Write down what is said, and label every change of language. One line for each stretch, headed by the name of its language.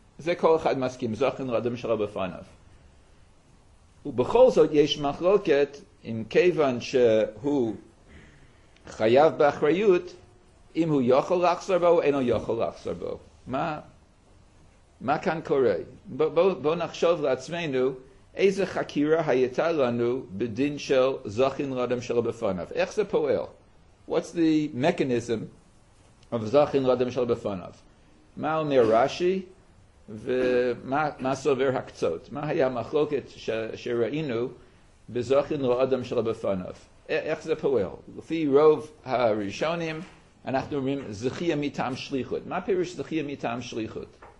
Hebrew: זה כל אחד מסכים, זכן לאדם שלא בפניו. ובכל זאת יש מחלוקת עם כיוון שהוא חייב באחריות, אם הוא יכול לחזור בו, אינו יכול לחזור בו. מה כאן קורה? בוא נחשוב לעצמנו, איזה חקירה הייתה לנו בדין של זכין לאדם שלא בפניו? איך זה פועל?
English: What's the mechanism of זכין לאדם שלא בפניו?
Hebrew: מה אומר רשי? ומה סובר הקצות? מה היה המחלוקת שראינו בזכין לאדם שלא בפניו? איך זה פועל? לפי רוב הראשונים, אנחנו אומרים זכייה מטעם שליחות. מה פירוש זכייה מטעם שליחות?